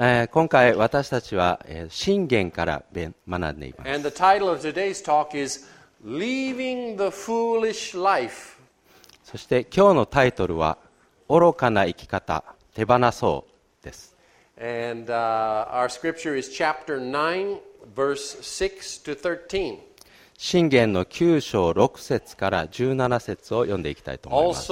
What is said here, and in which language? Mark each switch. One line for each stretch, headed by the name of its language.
Japanese: 今回私たちは箴言から学んでいます。
English: And the title of today's talk is Leaving the Foolish Life.
Japanese: そして今日のタイトルは愚かな生き方、手放そうです。
English: And our scripture is chapter 9, verse 6 to 13.
Japanese: 箴言の9章6節から17節を読んでいきたいと思います。